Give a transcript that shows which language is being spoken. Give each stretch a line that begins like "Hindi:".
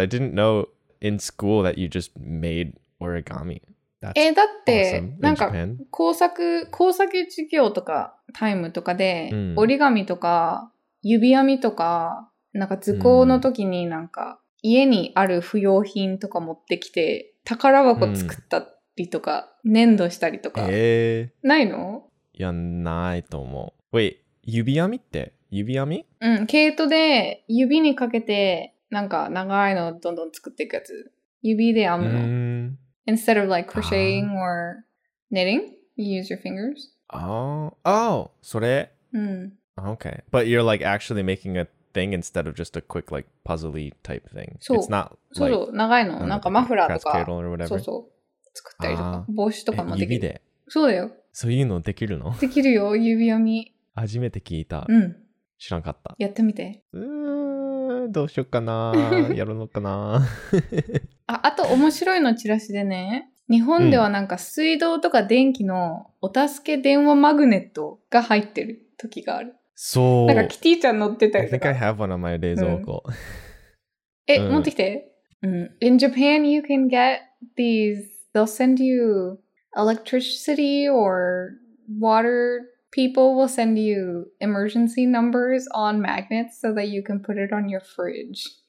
English: I didn't know in school that you just made origami. That's awesome.
Japanese: だってなんか工作授業とかタイムとかで、mm. 折り紙とか指編みとかなんか図工の時になんか家にある不要品とか持ってきて宝箱作ったりとか、mm. 粘土したりとか、ないの？いや、ないと思う。Wait, 指編みって？指編み？うん、毛糸で指にかけてなんか長いのをどんどん作っていくやつ。指で編むの。 Mm.
English: Instead of like crocheting or knitting, you use your fingers.
Japanese: Oh, それ。うん。
English: Okay, but you're like actually making a thing instead of just a quick like puzzly type thing.
Japanese: そう。
English: It's not like,
Japanese: そうそう、長いの。なんかマフラーとか。クラスケードとか。そうそう。作ったりとか。帽子とかもできる。指で。そうだよ。そういうのできるの？できるよ、指編み。初めて聞いた。うん。知らんかった。やってみて。どうしよっかな。やるのかな。あと面白いのチラシでね。日本ではなんか水道とか電気のお助け電話マグネットが入ってる時がある。そう。なんかキティちゃん乗ってたりとか。
English: I think I have one on my 冷蔵庫。
Japanese: うん、え、うん、持ってきて。うん。
English: In Japan, you can get these. They'll send you electricity or water. People will send you emergency numbers on magnets so that you can put it on your fridge.